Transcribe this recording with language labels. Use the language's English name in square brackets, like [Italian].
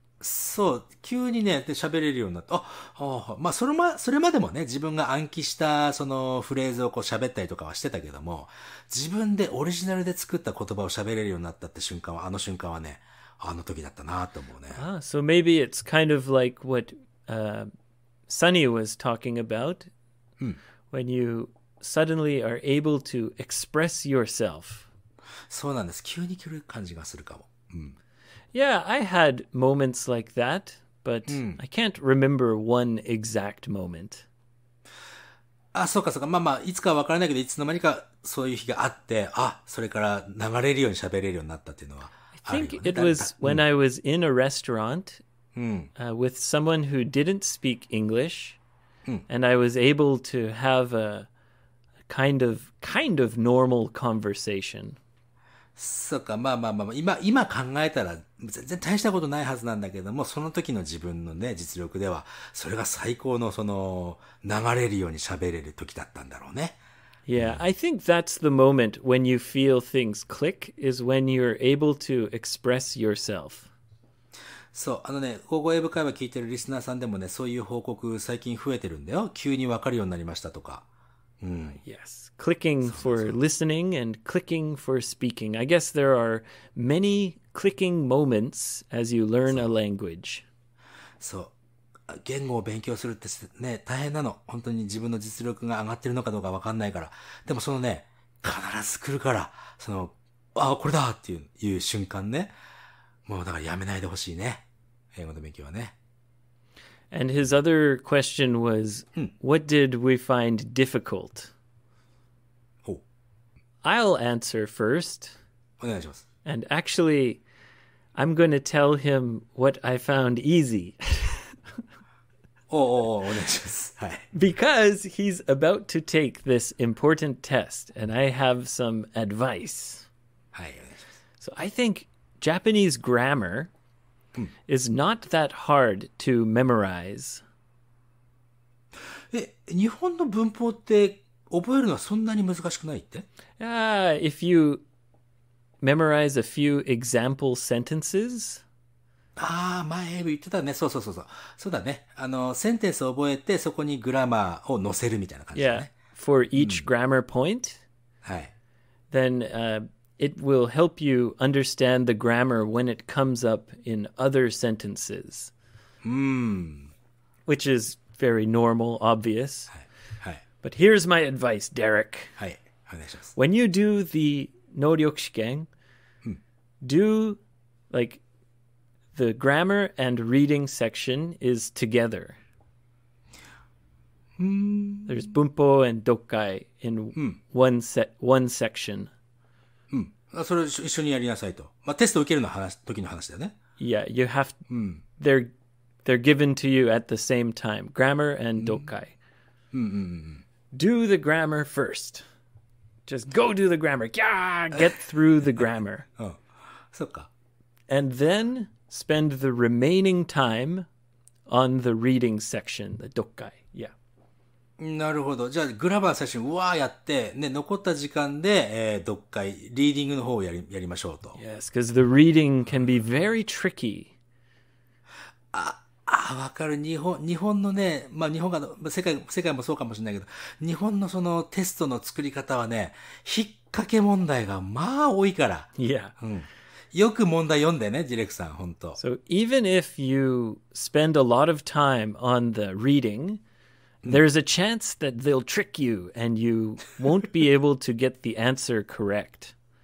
[Japanese] そう、急にね、で喋れるようになった。あ、まあそれまでもね、自分が暗記したそのフレーズをこう喋ったりとかはしてたけども、自分でオリジナルで作った言葉を喋れるようになったって瞬間は、あの瞬間はね、あの時だったなと思うね。 [English] So maybe it's kind of like what Sunny was talking about, when you suddenly are able to express yourself. [Japanese] そうなんです。急に来る感じがするかも。 [English] Yeah, I had moments like that, but I can't remember one exact moment. [Japanese] あ、そうかそうか。まあまあ、いつかは分からないけど、いつの間にかそういう日があって、あ、それから流れるように喋れるようになったっていうのはあるよね。 [English] I think it was when I was in a restaurant with someone who didn't speak English, and I was able to have a kind of normal conversation. [Japanese] そうか、まあまあまあ、今考えたら全然大したことないはずなんだけども、その時の自分のね、実力では、それが最高のその、流れるように喋れる時だったんだろうね。 [English] Yeah, I think that's the moment when you feel things click, is when you're able to express yourself. [Japanese] そう、あのね、英語会話聞いてるリスナーさんでもね、そういう報告最近増えてるんだよ。急にわかるようになりましたとか。 [English] Yes, clicking for listening and clicking for speaking. I guess there are many clicking moments as you learn a language. [Japanese] そう、言語を勉強するってね、大変なの。本当に自分の実力が上がってるのかどうか分かんないから。でもそのね、必ず来るから、その、あ、これだっていう、いう瞬間ね。もうだからやめないでほしいね。英語の勉強はね。 [English] And his other question was, what did we find difficult? I'll answer first. [Japanese] お願いします。 [English] And actually, I'm going to tell him what I found easy. [Japanese] お願いします。はい。 [English] Because he's about to take this important test, and I have some advice. [Japanese] はい、お願いします。 [English] So I think Japanese grammar is not that hard to memorize. [Japanese] え、日本の文法って覚えるのはそんなに難しくないって? [English] If you memorize a few example sentences. [Japanese] ああ、前言ってたね。そうそうそうそう。そうだね。あの、センテンスを覚えてそこにグラマーを載せるみたいな感じだね。 [English] Yeah. For each grammar point. [Japanese] はい。 [English] Then, it will help you understand the grammar when it comes up in other sentences. Which is very normal, obvious. But here's my advice, Derek. When you do the 能力試験, do like the grammar and reading section is together. There's 文法 and 読解 in one section. [Japanese] それ一緒にやりなさいと。まあ、テスト受けるの話、時の話だよね。 [English] Yeah, you have, they're given to you at the same time. Grammar and 読解。Do the grammar first. Just go do the grammar. Yeah, get through the grammar. [Japanese] そっか。 [English] And then spend the remaining time on the reading section, the 読解。Yeah. [Japanese] なるほど。じゃあ、グラマー最初に、わーやって、ね、残った時間で、読解、リーディングの方をやりましょうと。 [English] Yes, because the reading can be very tricky. [Japanese] あ、わかる。日本のね、まあ、日本が、世界もそうかもしれないけど、日本のそのテストの作り方はね、引っ掛け問題がまあ多いから。 [English] Yeah. [Japanese] よく問題読んでね、ディレクさん、ほんと。 [English] So, even if you spend a lot of time on the reading,There's a chance that they'll trick you and you won't be able to get the answer correct.